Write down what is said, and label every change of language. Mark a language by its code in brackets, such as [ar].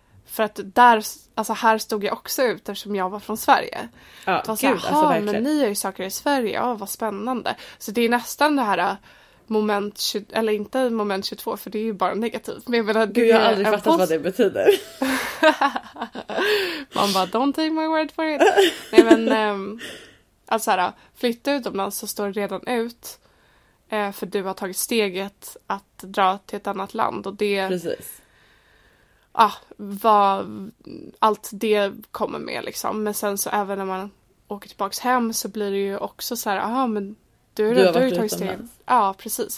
[sv] För att där, alltså här stod jag också ut eftersom jag var från Sverige. Ja, det var så här, gud, alltså, men ni gör ju saker i Sverige, ja, vad spännande. Så det är nästan det här moment 20, eller inte moment 22, för det är ju bara negativt. Men jag menar, gud, jag har aldrig fattat vad det betyder. Man bara, [en] don't take my word for it. [sv] Nej, men alltså här, flytta utomlands så står det redan ut. För du har tagit steget att dra till ett annat land. Och det, precis. Ja, vad allt det kommer med liksom. Men sen så även när man åker tillbaka hem så blir det ju också så här, aha, men du har tagit steget. Ja, precis.